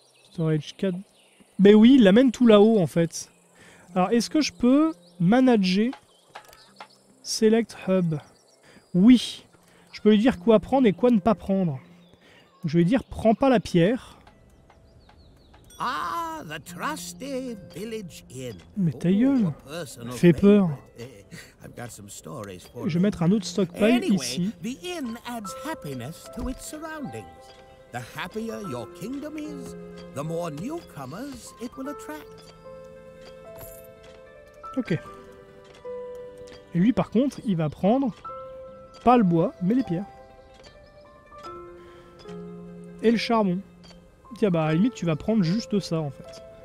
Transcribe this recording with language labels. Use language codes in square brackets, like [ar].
[fr] Storage 4. Ben oui, il l'amène tout là-haut, en fait. Alors, est-ce que je peux manager Select Hub? Oui. Je peux lui dire quoi prendre et quoi ne pas prendre. Je vais dire, prends pas la pierre. [en] Ah, the trusty village inn. [fr] Mais ta gueule, fais peur. [en] I've got some stories for you. [fr] Je vais mettre un autre stockpile ici. [en] The inn adds happiness to its surroundings. The happier your kingdom is, the more newcomers it will attract. Ok. [fr] Et lui, par contre, il va prendre pas le bois, mais les pierres. Et le charbon. Tiens, bah à la limite, tu vas prendre juste ça, en fait.